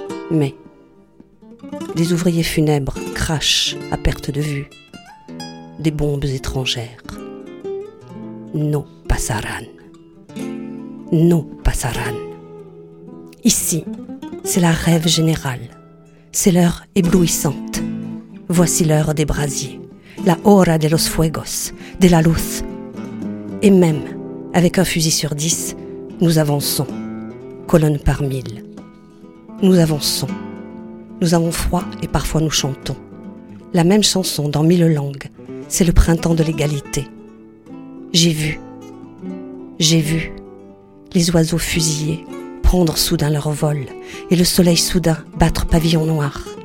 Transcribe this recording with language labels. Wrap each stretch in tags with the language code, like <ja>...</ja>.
<fr>Mais les ouvriers funèbres crachent à perte de vue des bombes étrangères.</fr> <es>No pasarán. No pasarán.</es> <fr>Ici, c'est la rêve générale. C'est l'heure éblouissante. Voici l'heure des brasiers.</fr> <es>La hora de los fuegos, de la luz.</es> <fr>Et même, avec un fusil sur 10, nous avançons, colonne par mille. Nous avançons. Nous avons froid et parfois nous chantons. La même chanson dans mille langues, c'est le printemps de l'égalité. J'ai vu les oiseaux fusillés prendre soudain leur vol et le soleil soudain battre pavillon noir.</fr>